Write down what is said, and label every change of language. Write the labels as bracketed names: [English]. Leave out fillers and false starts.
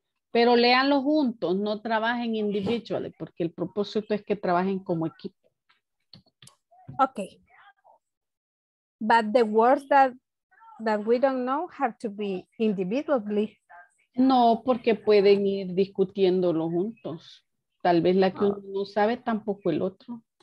[Spanish] Pero léanlo juntos, no trabajen individually, porque el propósito es que trabajen como equipo. [English] Okay. But the words that we don't know have to be individually. [Spanish] No, porque pueden ir discutiéndolo juntos. Tal vez la que uno no sabe, tampoco el otro.